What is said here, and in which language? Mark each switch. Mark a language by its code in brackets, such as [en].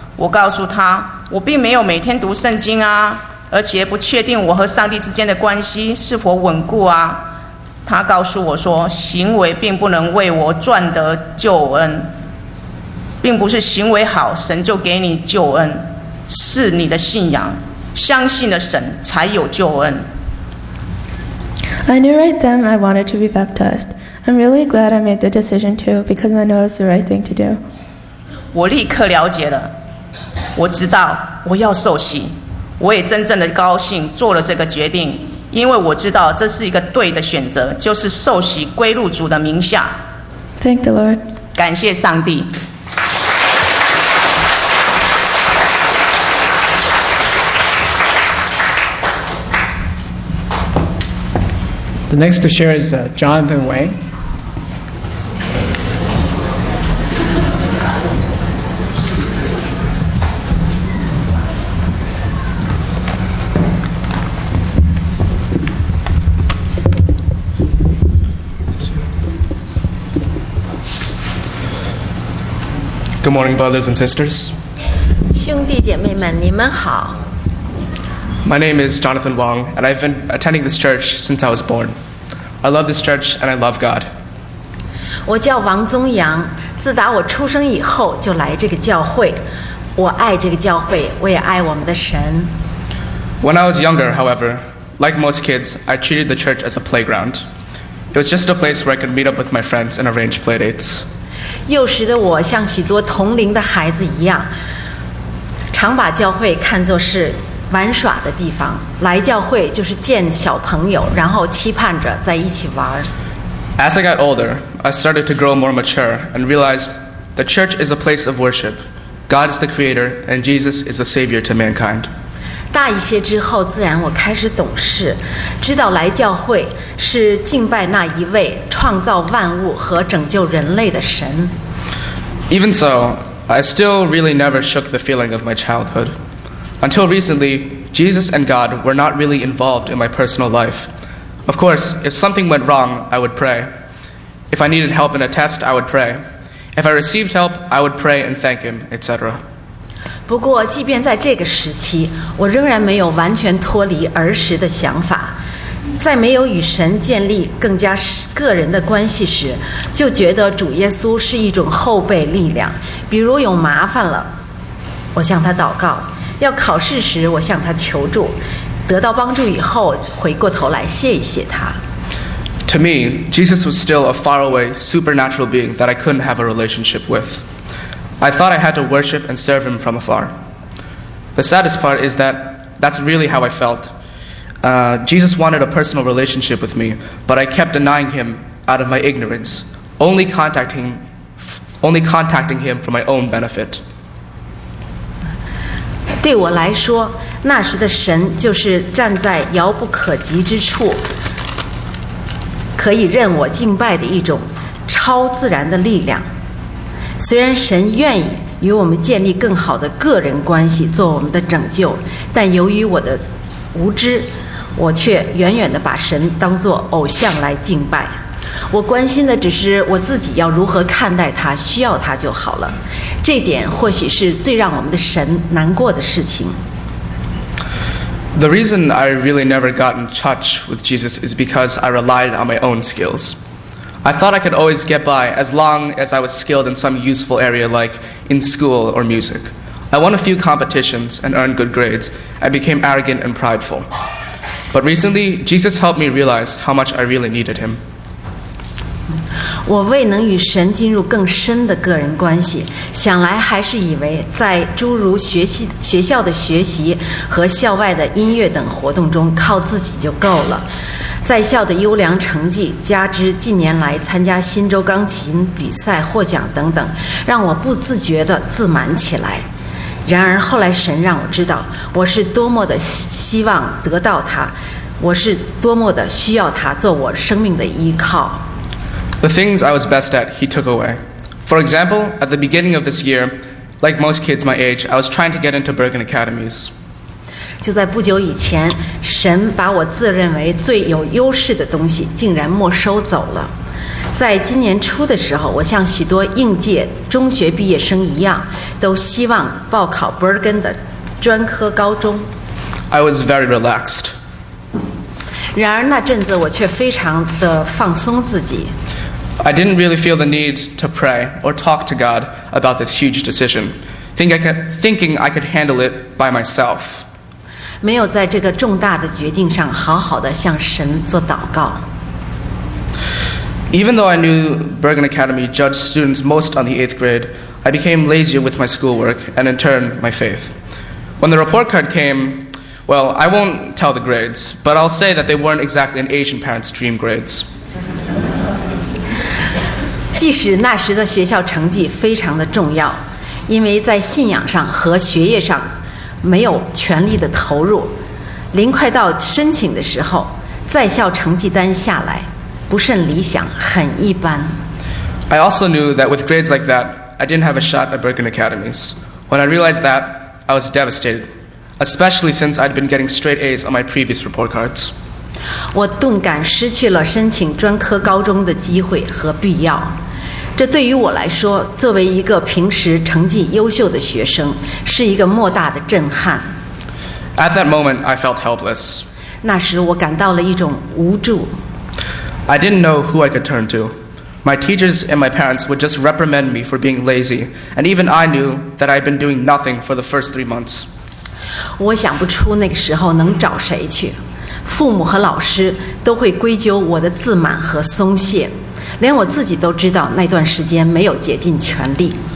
[zh] 我告诉她，我并没有每天读圣经啊，而且不确定我和上帝之间的关系是否稳固啊。他告诉我说，行为并不能为我赚得救恩，并不是行为好神就给你救恩，是你的信仰，相信了神才有救恩。 [en] I knew right then I wanted to be baptized. I'm really glad I made the decision too, because I know it's the right thing to do. [zh] 我立刻了解了，我知道我要受洗，我也真正的高兴做了这个决定，因为我知道这是一个对的选择，就是受洗归入主的名下。 [en] Thank the Lord. [zh] 感谢上帝。 [en] The next to share is Jonathan Wei. Good morning, brothers and sisters. [zh] 兄弟姐妹们，你们好。 [en] My name is Jonathan Wong, and I've been attending this church since I was born. I love this church, and I love God. [zh] 我叫王宗阳，自打我出生以后就来这个教会。我爱这个教会，我也爱我们的神。 [en] When I was younger, however, like most kids, I treated the church as a playground. It was just a place where I could meet up with my friends and arrange playdates. [zh] 幼时的我像许多同龄的孩子一样，常把教会看作是玩耍的地方。来教会就是见小朋友，然后期盼着在一起玩。 [en] As I got older, I started to grow more mature and realized the church is a place of worship. God is the creator, and Jesus is the savior to mankind. [zh] 大一些之后，自然我开始懂事，知道来教会是敬拜那一位创造万物和拯救人类的神。 [en] Even so, I still really never shook the feeling of my childhood. Until recently, Jesus and God were not really involved in my personal life. Of course, if something went wrong, I would pray. If I needed help in a test, I would pray. If I received help, I would pray and thank him, etc. [zh] 不过，即便在这个时期，我仍然没有完全脱离儿时的想法。在没有与神建立更加个人的关系时，就觉得主耶稣是一种后备力量。比如有麻烦了，我向他祷告；要考试时，我向他求助；得到帮助以后，回过头来谢一谢他。 [en] To me, Jesus was still a faraway supernatural being that I couldn't have a relationship with. I thought I had to worship and serve him from afar. The saddest part is that that's really how I felt. Jesus wanted a personal relationship with me, but I kept denying him out of my ignorance, only contacting him for my own benefit. [zh] 对我来说，那时的神就是站在遥不可及之处，可以任我敬拜的一种超自然的力量。虽然神愿意与我们建立更好的个人关系，做我们的拯救，但由于我的无知，我却远远地把神当作偶像来敬拜。我关心的只是我自己要如何看待他，需要他就好了。这点或许是最让我们的神难过的事情。 [en] The reason I really never got in touch with Jesus is because I relied on my own skills. I thought I could always get by as long as I was skilled in some useful area like in school or music. I won a few competitions and earned good grades. I became arrogant and prideful. But recently, Jesus helped me realize how much I really needed him. [zh] 我未能与神进入更深的个人关系，想来还是以为在诸如学校的学习和校外的音乐等活动中靠自己就够了。在校的优良成绩加之近年来参加新州钢琴比赛获奖等等，让我不自觉地自满起来。然而后来神让我知道，我是多么的希望得到他，我是多么的需要他做我生命的依靠。 [en] The things I was best at, he took away. For example, at the beginning of this year, like most kids my age, I was trying to get into Bergen Academies. [zh] 就在不久以前，神把我自认为最有优势的东西竟然没收走了。在今年初的时候，我像许多应届中学毕业生一样，都希望报考 Bergen 的专科高中。 [en] I was very relaxed. [zh] 然而那阵子我却非常的放松自己。 [en] I didn't really feel the need to pray or talk to God about this huge decision, thinking I could handle it by myself. [zh] 没有在这个重大的决定上好好的向神做祷告。 [en] Even though I knew Bergen Academy judged students most on the 8th grade, I became lazier with my schoolwork and in turn my faith. When the report card came, well, I won't tell the grades, but I'll say that they weren't exactly an Asian parent's dream grades. [zh] 即使那时的学校成绩非常的重要，因为在信仰上和学业上没有全力的投入，临快到申请的时候，在校成绩单下来不甚理想，很一般。 [en] I also knew that with grades like that, I didn't have a shot at Bergen Academies. When I realized that, I was devastated, especially since I'd been getting straight A's on my previous report cards. [zh] 我顿感失去了申请专科高中的机会和必要。这对于我来说，作为一个平时成绩优秀的学生，是一个莫大的震撼。 [en] At that moment, I felt helpless. [zh] 那时我感到了一种无助。 [en] I didn't know who I could turn to. My teachers and my parents would just reprimand me for being lazy, and even I knew that I had been doing nothing for the first 3 months. [zh] 我想不出那个时候能找谁去。父母和老师都会归咎我的自满和松懈，连我自己都知道那段时间没有竭尽全力。